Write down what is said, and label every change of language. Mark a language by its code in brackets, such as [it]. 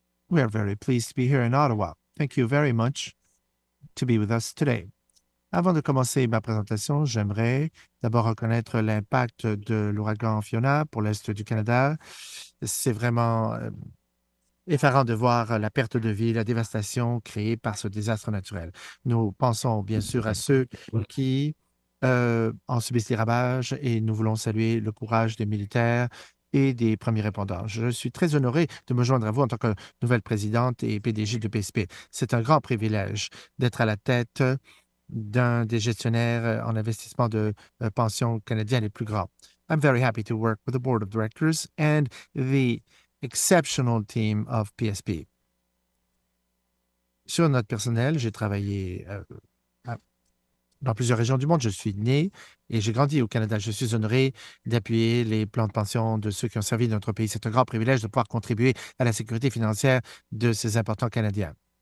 [en] We are very pleased to be here in Ottawa. Thank you very much to be with us today. [fr] Avant de commencer ma présentation, j'aimerais d'abord reconnaître l'impact de l'ouragan Fiona pour l'Est du Canada. C'est vraiment effarant de voir la perte de vie, la dévastation créée par ce désastre naturel. Nous pensons bien sûr à ceux qui ont subi ces ravages et nous voulons saluer le courage des militaires et des premiers répondants. Je suis très honoré de me joindre à vous en tant que nouvelle présidente et PDG de PSP. C'est un grand privilège d'être à la tête d'un des gestionnaires en investissement de pension canadien les plus grands. [en] I'm very happy to work with the board of directors and the exceptional team of PSP. [fr] Sur notre personnel, j'ai travaillé dans plusieurs régions du monde. Je suis né et j'ai grandi au Canada. Je suis honoré d'appuyer les plans de pension de ceux qui ont servi notre pays. C'est un grand privilège de pouvoir contribuer à la sécurité financière de ces importants Canadiens.